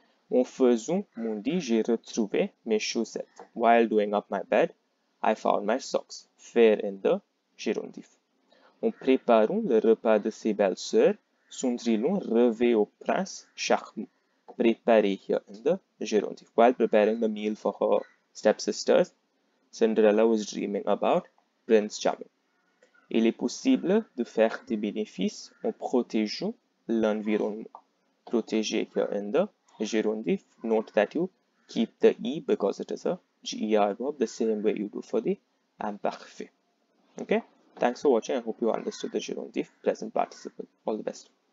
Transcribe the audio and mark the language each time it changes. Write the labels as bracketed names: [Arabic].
[French] En faisant mon lit, j'ai retrouvé mes chaussettes. [English] While doing up my bed, I found my socks. [French] Faire [English] in the gerundif. [French] En préparant le repas de ses belles sœurs, Sundrilon revêt au prince Charmant. [English] Préparer here in the gerundif. While preparing the meal for her stepsisters, Cinderella was dreaming about Prince Charming. [French] Il est possible de faire des bénéfices en protégeant l'environnement. [English] Protéger here in the gerundif. Note that you keep the E because it is a GER verb, the same way you do for the imparfait. Okay, thanks for watching. I hope you understood the gerundif present participle. All the best.